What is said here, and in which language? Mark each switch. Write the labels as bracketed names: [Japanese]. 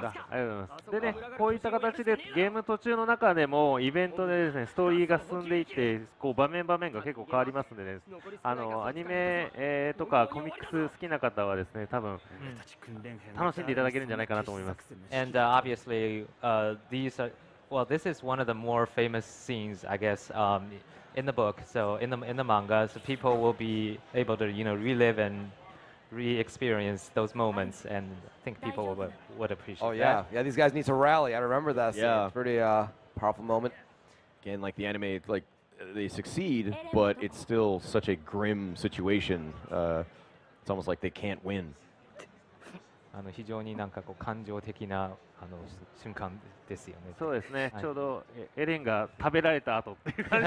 [Japanese] ありがとうございます。でね、こういった形でゲーム途中の中でもイベントでですねストーリーが進んでいってこう場面場面が結構変わりますんでね、あのアニメ、とかコミックス好きな方はですね多分、うん、楽しんでいただけるんじゃないかなと思います。 [English] And obviously these are well this is one of the more famous scenes I guess in the book, so in the manga, so people will be able to, you know, relive and re-experience those moments, and I think people would appreciate that. Oh yeah, yeah. These guys need to rally. I remember that. Scene. Yeah, it's pretty powerful moment. Again, like the anime, like they succeed, but it's still such a grim situation. It's almost like they can't win. [Japanese] あの非常になんかこう感情的なあの瞬間ですよね。そうですね、はい、ちょうどエレンが食べられた後っていう感じ